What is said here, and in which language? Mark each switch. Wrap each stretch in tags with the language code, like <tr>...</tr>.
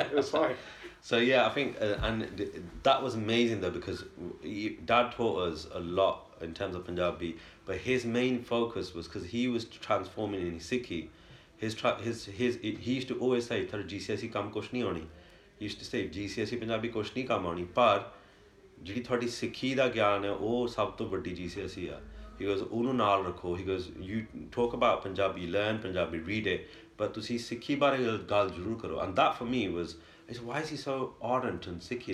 <en>It was fine. So yeah, I think that was amazing though, because Dad taught us a lot in terms of Punjabi, but his main focus was, because he was transforming in Sikhi, he used to always say,</en> <pa>"Tar GCSE kam kosh nahi honi."</pa> <en>He used to say,</en> <pa>"GCSE Punjabi ਕੋਸ਼ ਨਹੀਂ ਕੰਮ ਹੋਣੀ," ਪਰ ਜੇਹੜੀ ਥੋੜੀ ਸਿੱਖੀ ਦਾ ਗਿਆਨ ਹੈ, ਓਹ ਸਬ ਤੋ ਵੱਡੀ GCSE ਹੈ।</pa> <en>He goes,</en> <pa>"ਉਨੂ ਨਾਲ ਰੱਖੋ।"</pa> <en>He goes, "You talk about Punjabi, learn Punjabi, read it, but</en> <pa>ਤੁਸੀ ਸਿੱਖੀ ਬਾਰੇ ਗੱਲ ਜ਼ਰੂਰ ਕਰੋ।"</pa> <en>And that for me was, why is he so ardent and Sikhi?</en>